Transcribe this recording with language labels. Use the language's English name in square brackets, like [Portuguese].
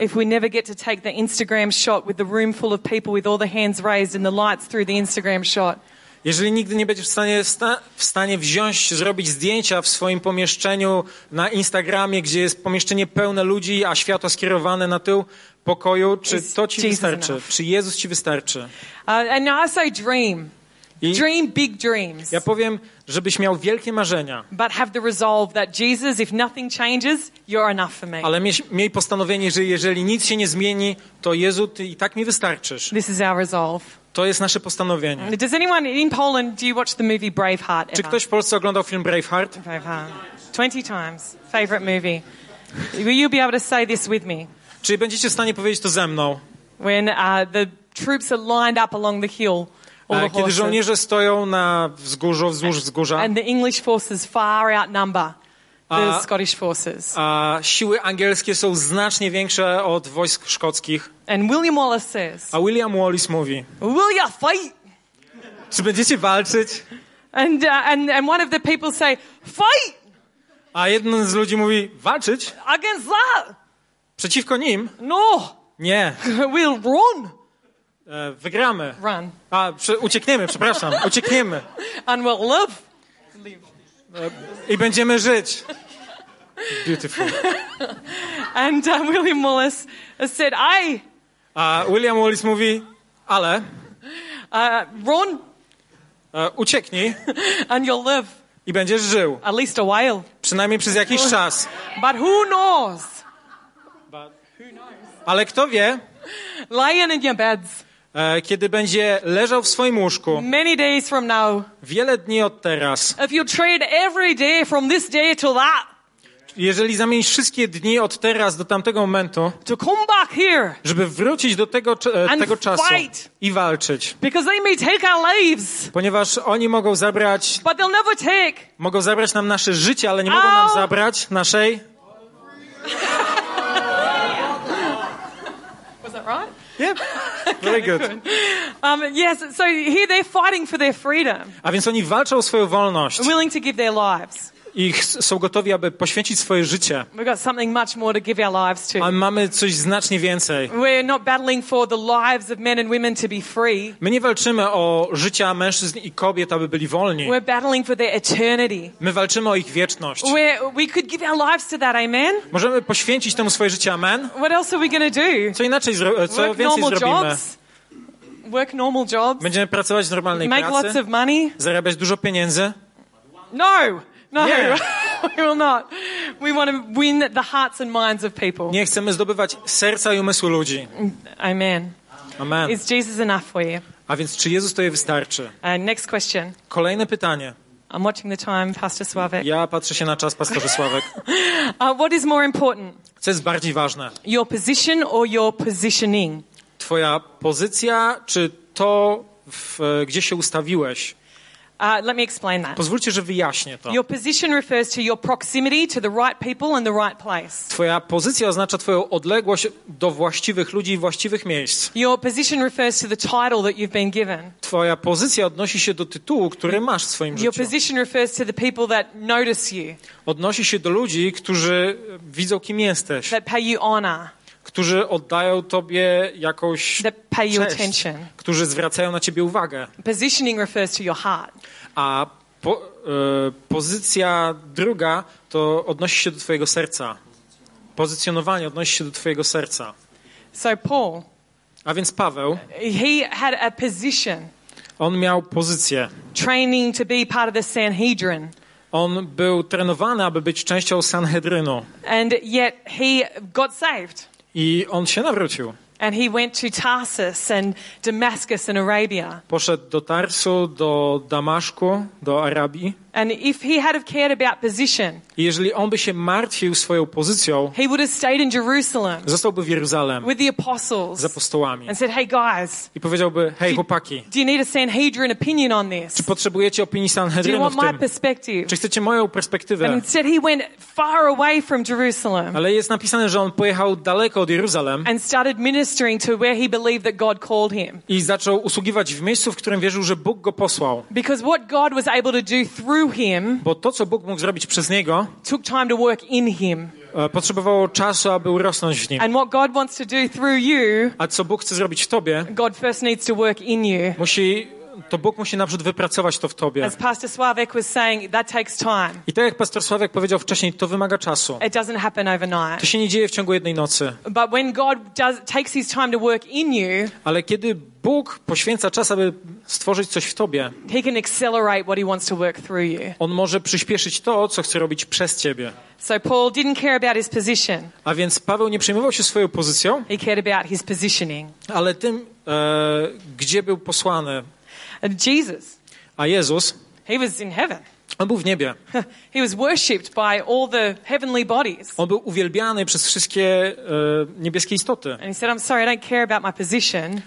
[English] If we never get to take the Instagram shot with the room full of people with all the hands raised and the lights through the Instagram shot. [Polish] Jeżeli nigdy nie będziesz w stanie wziąć, zrobić zdjęcia w swoim pomieszczeniu na Instagramie, gdzie jest pomieszczenie pełne ludzi, a światła skierowane na tył pokoju, czy [English] is [Polish] to ci [English] Jesus [Polish] wystarczy? [English] Enough? [Polish] Czy Jezus ci wystarczy? [English] And now I say dream. Dream big dreams. [Polish] Ja powiem, żebyś miał wielkie marzenia. [English] But have the resolve that Jesus, if nothing changes, you're enough for me. [Polish] Ale miej postanowienie, że jeżeli nic się nie zmieni, to Jezu, ty i tak mi wystarczysz. [English] This is our resolve. [Polish] To jest nasze postanowienie. [English] Does anyone in Poland do you watch the movie Braveheart? [Polish] Czy ktoś w Polsce oglądał film Braveheart? [English] 20 times. Favorite movie. Will you be able to say this with me? [Polish] Czy będziecie w stanie powiedzieć to ze mną? [English] When the troops are lined up along the hill. [Polish] Kiedy żołnierze stoją na wzgórzu, wzdłuż wzgórza. [English] And the English forces far outnumber the Scottish forces. [Polish] A siły angielskie są znacznie większe od wojsk szkockich. [English] And William Wallace says. [Polish] A William Wallace mówi. [English] Will you fight? [Polish] Czy będziecie walczyć? [English] And one of the people say, fight! [Polish] A jeden z ludzi mówi, walczyć? [English] Against that? [Polish] Przeciwko nim? [English] No. [Polish] Nie. [English] We'll run. [Polish] Wygramy. [English] Run. [Polish] A, uciekniemy, przepraszam, uciekniemy. [English] And we'll live. [Polish] I będziemy żyć. [English] Beautiful. And William Wallace said, I. [Polish] A William Wallace mówi, ale. [English] Run. [Polish] Ucieknij. [English] And you'll live. [Polish] I będziesz żył. [English] At least a while. [Polish] Przynajmniej przez jakiś czas. [English] But who knows? But who knows? [Polish] Ale kto wie? [English] Lying in your beds. [Polish] Kiedy będzie leżał w swoim łóżku. [English] Many days from now. [Polish] Wiele dni od teraz. [English] If you trade every day from this day to that. [Polish] Jeżeli zamienisz wszystkie dni od teraz do tamtego momentu. [English] To come back here. [Polish] Żeby wrócić do tego czasu. [English] Fight. [Polish] I walczyć. [English] Because they may take our lives. [Polish] Ponieważ oni mogą zabrać. [English] But they'll never take. [Polish] Mogą zabrać nam nasze życie, ale nie mogą nam zabrać naszej. [English] Was that right? Yeah. Very good. Yes, so here they're fighting for their freedom. [Polish] A więc oni walczą o swoją wolność. [English] Willing to give their lives. [Polish] I są gotowi, aby poświęcić swoje życie. [English] We've got something much more to give our lives to. [Polish] A mamy coś znacznie więcej. [English] We're not battling for the lives of men and women to be free. [Polish] My nie walczymy o życia mężczyzn i kobiet, aby byli wolni. [English] We're battling for their eternity. [Polish] My walczymy o ich wieczność. [English] We could give our lives to that, amen? [Polish] Możemy poświęcić temu swoje życie, amen? [English] What else are we going to do? [Polish] Co inaczej co [English] work [Polish] więcej [English] normal [Polish] zrobimy? [English] Jobs? Work normal jobs. [Polish] Będziemy pracować w normalnej [English] make [Polish] pracy. [English] Lots of money. [Polish] Zarabiać dużo pieniędzy. [English] No! No, yeah. We will not. We want to win the hearts and minds of people. [Polish] Nie chcemy zdobywać serca i umysłu ludzi. [English] Amen. [Polish] Amen. [English] Is Jesus enough for you? [Polish] A więc czy Jezus to je wystarczy? [English] Next question. [Polish] Kolejne pytanie. [English] I'm watching the time, Pastor Sławek. [Polish] Ja patrzę się na czas, Pastorze Sławek. [English] What is more important? [Polish] Co jest bardziej ważne? [English] Your position or your positioning? [Polish] Twoja pozycja czy to, gdzie się ustawiłeś? [English] Let me explain that. [Polish] Pozwólcie, że wyjaśnię to. [English] Your position refers to your proximity to the right people and the right place. [Polish] Twoja pozycja oznacza twoją odległość do właściwych ludzi i właściwych miejsc. [English] Your position refers to the title that you've been given. [Polish] Twoja pozycja odnosi się do tytułu, który masz w swoim życiu. [English] Your position refers to the people that notice you. [Polish] Odnosi się do ludzi, którzy widzą, kim jesteś. [English] That pay you honor. [Polish] Którzy oddają tobie jakąś cześć, którzy zwracają na ciebie uwagę. [English] Positioning refers to your heart. [Polish] A pozycja druga to odnosi się do twojego serca. Pozycjonowanie odnosi się do twojego serca. [English] So Paul. [Polish] A więc Paweł. [English] He had a position. [Polish] On miał pozycję. [English] Training to be part of the Sanhedrin. [Polish] On był trenowany, aby być częścią Sanhedrynu. [English] And yet he got saved. [Polish] I on się nawrócił. [English] And he went to Tarsus and Damascus in Arabia. [Polish] Poszedł do Tarsu, do Damaszku, do Arabii. [English] And if he had have cared about position, [Polish] jeżeli on by się martwił swoją pozycją, [English] he would have stayed in Jerusalem, [Polish] zostałby w Jeruzalem, [English] with the apostles, [Polish] z apostołami, [English] and said, "Hey guys," [Polish] i powiedziałby, hej chłopaki, [English] "do you need a Sanhedrin opinion on this? [Polish] Czy potrzebujecie opinii Sanhedrynu w tym? [English] Do you want my perspective? [Polish] Czy chcecie moją perspektywę?" [English] And instead, he went far away from Jerusalem. [Polish] Ale jest napisane, że on pojechał daleko od Jeruzalem, [English] and started ministering to where he believed that God called him. [Polish] I zaczął usługiwać w miejscu, w którym wierzył, że Bóg go posłał. [English] Because what God was able to do through him, [Polish] bo to, co Bóg mógł zrobić przez niego, [English] took time to work in him. [Polish] Potrzebowało czasu, aby urosnąć w nim. [English] And what God wants to do through you, [Polish] a co Bóg chce zrobić w tobie, [English] God first needs to work in you. [Polish] Musi, to Bóg musi naprzód wypracować to w tobie. [English] As Pastor Sławek was saying, that takes time. [Polish] I tak jak Pastor Sławek powiedział wcześniej, to wymaga czasu. [English] It doesn't happen overnight. [Polish] To się nie dzieje w ciągu jednej nocy. [English] But when God does, takes his time to work in you, [Polish] ale kiedy Bóg poświęca czas, aby stworzyć coś w tobie, [English] he can accelerate what he wants to work through you. [Polish] On może przyspieszyć to, co chce robić przez ciebie. [English] So Paul didn't care about his position. [Polish] A więc Paweł nie przejmował się swoją pozycją, [English] he cared about his positioning. [Polish] Ale tym, gdzie był posłany. [English] Jesus. [Polish] A Jezus, [English] he was in heaven. [Polish] On był w niebie. [English] He was worshipped by all the heavenly bodies. [Polish] On był uwielbiany przez wszystkie niebieskie istoty. [English] And he said, "I'm sorry, I don't care about my position."